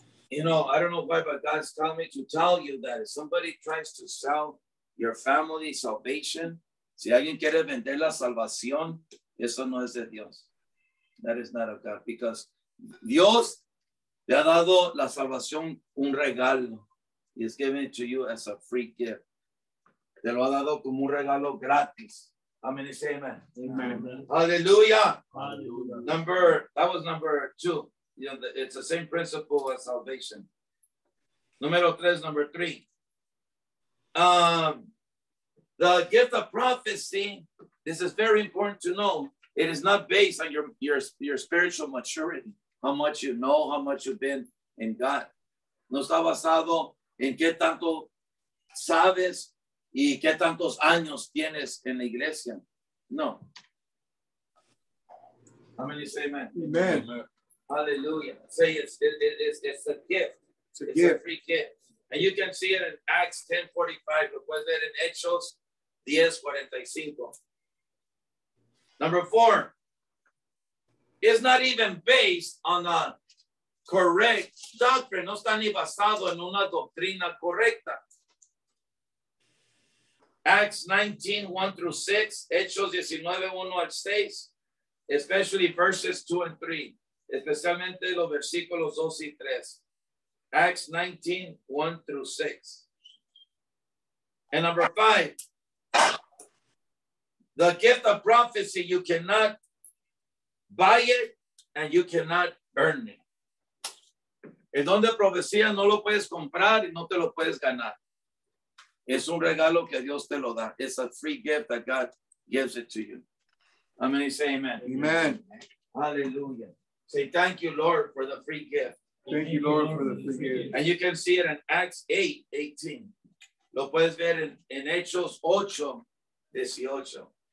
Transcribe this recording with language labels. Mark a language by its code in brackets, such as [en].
[en] You know, I don't know why, but God's telling me to tell you that if somebody tries to sell your family salvation, [es] si alguien quiere vender la salvación, eso no es de Dios. [en] That is not of God. Because [es] Dios te ha dado la salvación un regalo. [en] He's given it to you as a free gift. [es] Te lo ha dado como un regalo gratis. [en] How many say amen? Amen. Hallelujah. Hallelujah. Number, that was number two. You know, it's the same principle as salvation. Number three. The gift of prophecy, this is very important to know. It is not based on your spiritual maturity, how much you know, how much you've been in God. [es] No está basado en qué tanto sabes y qué tantos años tienes en la iglesia. No. [en] How many say amen? Amen. Hallelujah. Say it's a gift. It's a free gift. And you can see it in Acts 10:45. It was there in Hechos 10:45. Number four. It's not even based on a correct doctrine. [es] No está ni basado en una doctrina correcta. [en] Acts 19:1-6. Hechos 19:1-6. Especially verses 2 and 3. [es] Especialmente los versículos 2 y 3. [en] Acts 19:1-6. And number 5. The gift of prophecy, you cannot buy it and you cannot earn it. [es] El don de profecía no lo puedes comprar y no te lo puedes ganar. Es un regalo que Dios te lo da. [en] It's a free gift that God gives it to you. How many say amen? Amen. Hallelujah. Say thank you, Lord, for the free gift. Thank you, Lord, for the free gift. And you can see it in Acts 8:18. [es] Lo puedes ver en Hechos 8:18.